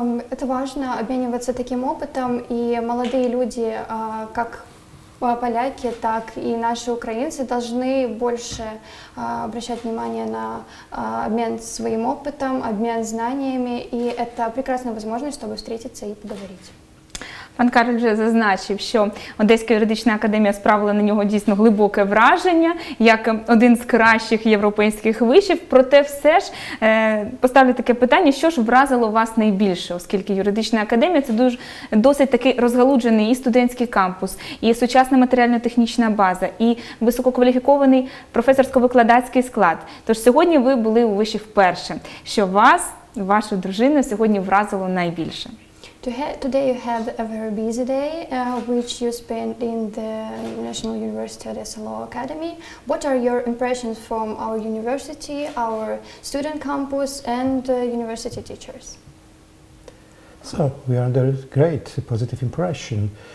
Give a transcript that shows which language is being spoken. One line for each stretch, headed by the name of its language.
Russian: Это важно обмениваться таким опытом, и молодые люди, как поляки, так и наши украинцы, должны больше обращать внимание на обмен своим опытом, обмен знаниями, и это прекрасная возможность, чтобы встретиться и поговорить.
Ukrainian: Пан Кароль вже зазначив, що Одеська юридична академія справила на нього дійсно глибоке враження, як один з кращих європейських вишів. Проте все ж поставлю таке питання, що ж вразило вас найбільше, оскільки юридична академія – це дуже досить такий розгалуджений і студентський кампус, і сучасна матеріально-технічна база, і висококваліфікований професорсько-викладацький склад. Тож сьогодні ви були у виші вперше. Що вас, вашу дружину сьогодні вразило найбільше?
English: Today you had a very busy day, which you spent in the National University Odessa Law Academy. What are your impressions from our university, our student campus, and university teachers? So, we are under great positive impression.